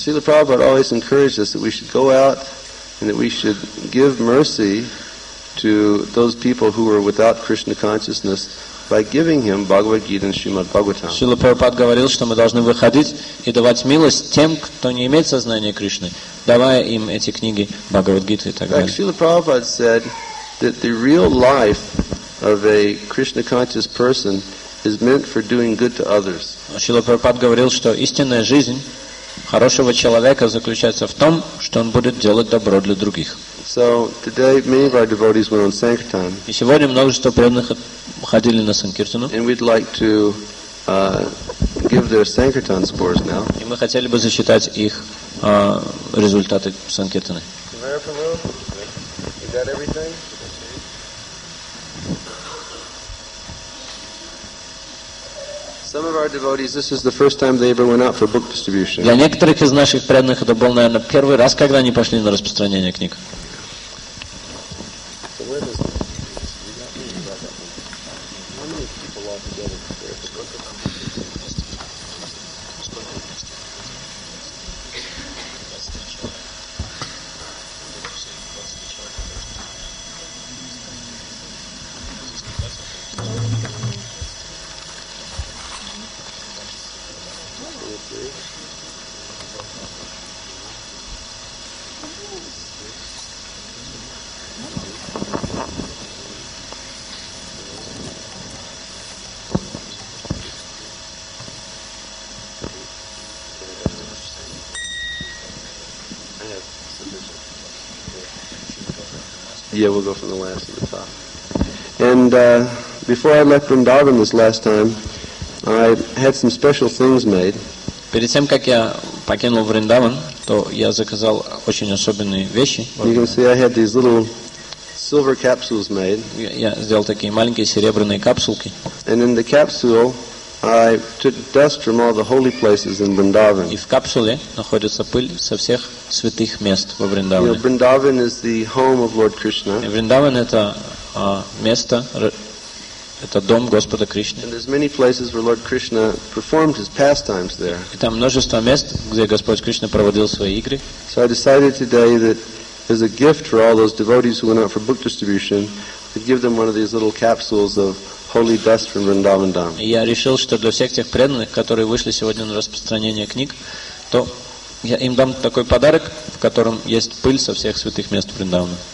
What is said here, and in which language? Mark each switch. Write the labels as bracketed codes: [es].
[en] Srila Prabhupada always encouraged us that we should go out and that we should give mercy to those people who are without Krishna consciousness by giving him Bhagavad Gita and Srimad Bhagavatam. [ru] Srila Prabhupada говорил, что мы должны выходить и давать милость тем, кто не имеет сознания Кришны, давая им эти книги Бхагавад Гиты и так далее. [en] Srila Prabhupada said that the real life of a Krishna conscious person is meant for doing good to others. [ru] Шрила Прабхупада говорил, что истинная жизнь хорошего человека заключается в том, что он будет делать добро для других. [en] So today many of our devotees went on sankirtan. [ru] И сегодня множество преданных ходили на санкиртану. [en] And we'd like to give their sankirtan scores now. [ru] И мы хотели бы засчитать их результаты санкиртаны. [en] Some of our devotees, this is the first time they ever went out for book distribution. [ru] Для некоторых из наших преданных это был, наверное, первый раз, когда они пошли на распространение книг. [en] Yeah, we'll go from the last to the top. And before I left Vrindavan this last time, I had some special things made. [ru] Перед тем, как я покинул Вриндаван, то я заказал очень особенные вещи. [en] You can see I had these little silver capsules made. [ru] Я сделал такие маленькие серебряные капсулки. [en] And in the capsule, I took dust from all the holy places in Vrindavan. [ru] И в капсуле находится пыль со всех святых мест во Вриндаване. [en] Vrindavan is the home of Lord Krishna. [ru] И Вриндаван это место, это дом Господа Кришны. [en] And there's many places where Lord Krishna performed his pastimes there. [ru] И там множество мест, где Господь Кришна проводил свои игры. [en] So I decided today that as a gift for all those devotees who went out for book distribution, I'd give them one of these little capsules of holy dust from Vrindavan Dham. [ru] Я решил, что для всех тех преданных, которые вышли сегодня на распространение книг, то я им дам такой подарок, в котором есть пыль со всех святых мест Вриндавана.